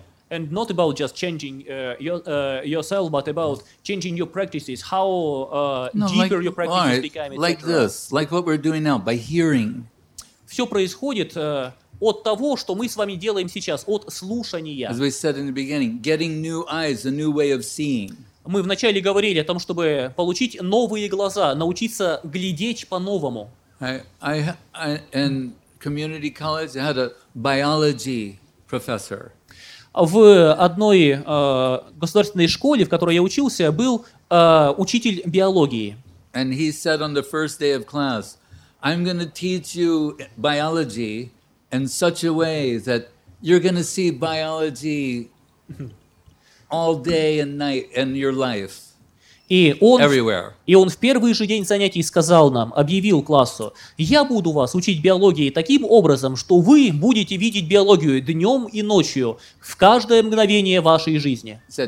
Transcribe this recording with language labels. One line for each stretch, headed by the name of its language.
English: And not about just changing yourself, but about changing your practices, how deeper your practices become, etc. Like this, like what we're doing now, by hearing.
Russian: Все происходит от того, что мы с вами делаем сейчас, от слушания.
English: As we said in the beginning, getting new eyes, a new way of seeing.
Russian: Мы вначале говорили о том, чтобы получить новые глаза, научиться глядеть по-новому.
English: I in community college I had a biology professor.
Russian: В одной государственной школе, в которой я учился, был учитель биологии.
English: And he said on the first day of class, I'm going to teach you biology in such a way that you're going to see biology all day and night in your life.
Russian: И он в первый же день занятий сказал нам, объявил классу, я буду вас учить биологии таким образом, что вы будете видеть биологию днем и ночью в каждое мгновение вашей жизни.